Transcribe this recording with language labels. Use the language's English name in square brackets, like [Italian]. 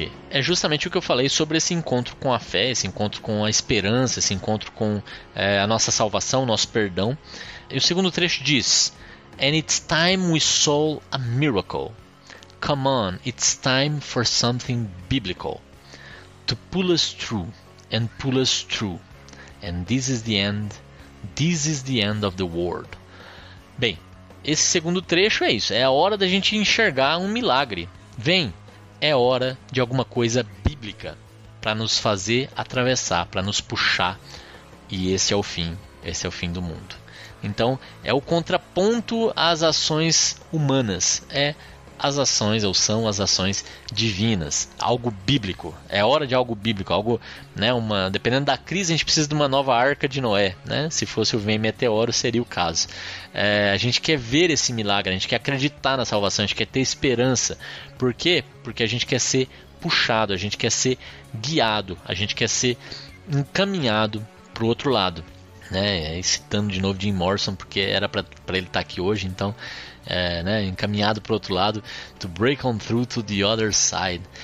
[Portuguese] É justamente o que eu falei sobre esse encontro com a fé, esse encontro com a esperança, esse encontro com a nossa salvação, nosso perdão. E o segundo trecho diz: [English] "And it's time we saw a miracle. Come on, it's time for something biblical. To pull us through and pull us through. And this is the end. This is the end of the world." [Portuguese] Bem, esse segundo trecho é isso. É a hora da gente enxergar um milagre. Vem! É hora de alguma coisa bíblica para nos fazer atravessar, para nos puxar. E esse é o fim do mundo. Então, é o contraponto às ações humanas. É as ações, ou são as ações divinas. Algo bíblico. É hora de algo bíblico. Algo, né, uma, dependendo da crise, a gente precisa de uma nova arca de Noé. Né? Se fosse o vem meteoro, seria o caso. É, a gente quer ver esse milagre, a gente quer acreditar na salvação, a gente quer ter esperança. Por quê? Porque a gente quer ser puxado, a gente quer ser guiado, a gente quer ser encaminhado para o outro lado. Né? E citando de novo Jim Morrison, porque era para ele estar aqui hoje, então, né? Encaminhado para o outro lado. [English] To break on through to the other side.